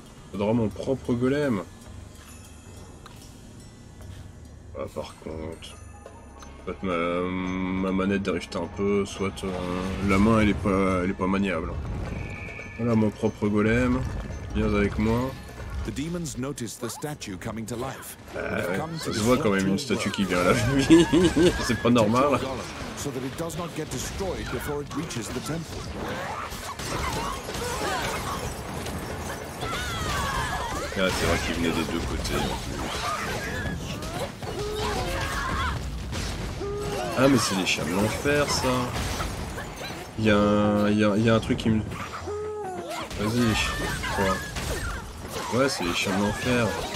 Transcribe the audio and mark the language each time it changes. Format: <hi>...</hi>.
<fr>Faudra mon propre golem. Ah, par contre... Soit ma manette drift un peu, soit la main, elle est pas maniable. Voilà mon propre golem. Viens avec moi.</fr> <en>The demons notice the statue coming to life.</en> <fr>Ça se voit quand même une statue qui vient à la vie. C'est pas normal.</fr> <en>So that it does not get destroyed before it reaches the temple.</en> <fr>Ah, c'est vrai qu'il venait des deux côtés. Ah, mais c'est les chiens de l'enfer, ça. Il y a un truc qui me. Vas-y, quoi. Ouais, c'est les chiens de l'enfer.</fr>